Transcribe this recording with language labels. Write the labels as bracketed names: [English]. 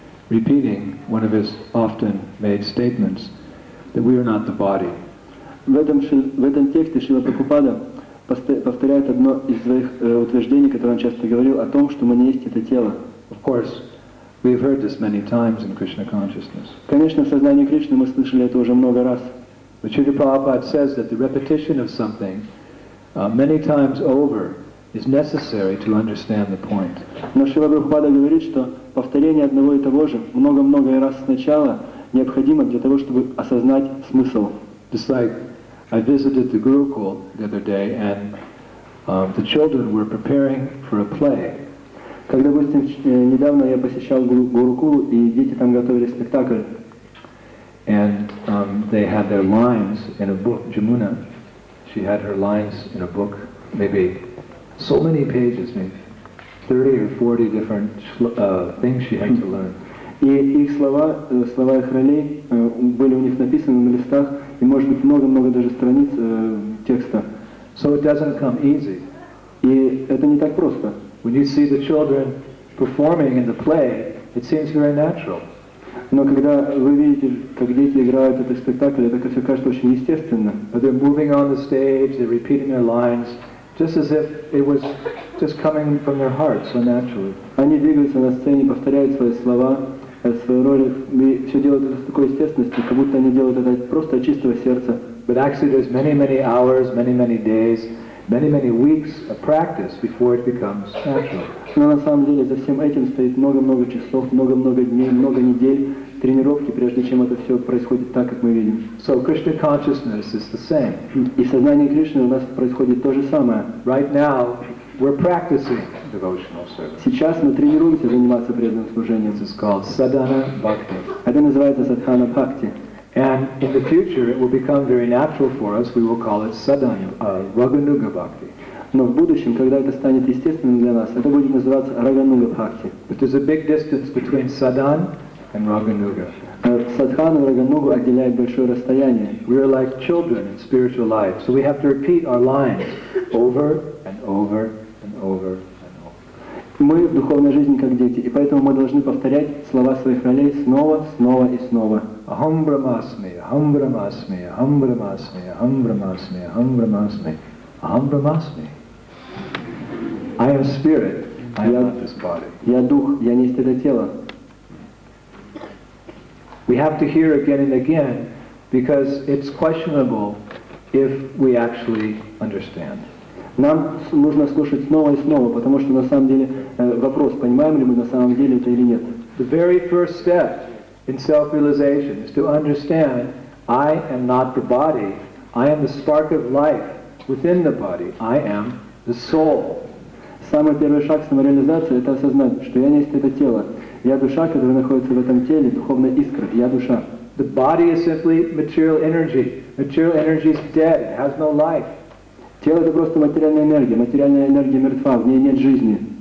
[English] repeating one of his often made statements, that we are not the body. [Russian] В этом тексте Шрила Прабхупада повторяет одно из своих утверждений, которое он часто говорил, о том, что мы не есть это тело. [English] Of course, we've heard this many times in Krishna consciousness. [Russian] Конечно, в сознании Кришны мы слышали это уже много раз. [English] But Shrila Prabhupada says that the repetition of something many times over is necessary to understand the point. [Russian] Но Шрила Прабхупада говорит, что повторение одного и того же много-много раз сначала необходимо для того, чтобы осознать смысл. [English] Just like I visited the Gurukul the other day, and the children were preparing for a play. [Russian] Когда, допустим, недавно я посещал Гурукул, и дети там готовили спектакль. [English] And they had their lines in a book. Jamuna, she had her lines in a book, maybe so many pages, maybe 30 or 40 different things she had to learn. [Russian] И их слова их ролей были у них написаны на листах, и может быть много-много даже страниц текста. [English] So it doesn't come easy. [Russian] И это не так просто. [English] When you see the children performing in the play, it seems very natural. [Russian] Но когда вы видите, как дети играют этот спектакль, это все кажется очень естественно. [English] But they're moving on the stage, they're repeating their lines, just as if it was just coming from their heart, so naturally. [Russian] Они двигаются на сцене, повторяют свои слова, свои роли, и все делают это с такой естественностью, как будто они делают это просто от чистого сердца. [English] But actually there's many, many hours, many, many days, many, many weeks of practice before it becomes natural. [Russian] Но на самом деле за всем этим стоит много-много часов, много-много дней, много недель тренировки, прежде чем это все происходит так, как мы видим. [English] So Krishna consciousness is the same. [Russian] И сознание Кришны у нас происходит то же самое. [English] Right now we're practicing devotional service. [Russian] Сейчас мы тренируемся заниматься преданным служением. [English] This is called sadhana bhakti. [Russian] Это называется садхана бхакти. [English] And in the future it will become very natural for us. We will call it sadhana raganuga bhakti. [Russian] Но в будущем, когда это станет естественным для нас, это будет называться рагануга бхакти. [English] But there's a big distance between sadhana and raganuga. [Russian] Садхану и рагануга отделяет большое расстояние. [English] We are like children in spiritual life, so we have to repeat our lines over and over and over. [Russian] Мы в духовной жизни как дети, и поэтому мы должны повторять слова своих ролей снова, снова и снова. [Sanskrit] Ахам брахмасми, ахам брахмасми, ахам брахмасми, ахам брахмасми, ахам брахмасми, ахам брахмасми. [English] I am spirit, I am not this body. [Russian] Я дух, я не есть это тело. [English] We have to hear again and again, because it's questionable if we actually understand. [Russian] Нам нужно слушать снова и снова, потому что на самом деле вопрос, понимаем ли мы на самом деле это или нет. [English] The very first step in self-realization is to understand I am not the body, I am the spark of life within the body, I am the soul. [Russian] Самый первый шаг самореализации — это осознать, что я не есть это тело. Я душа, которая находится в этом теле, духовная искра, я душа. [English] The body is simply material energy. Material energy is dead, it has no life. [Russian] Тело — это просто материальная энергия. Материальная энергия мертва, в ней нет жизни.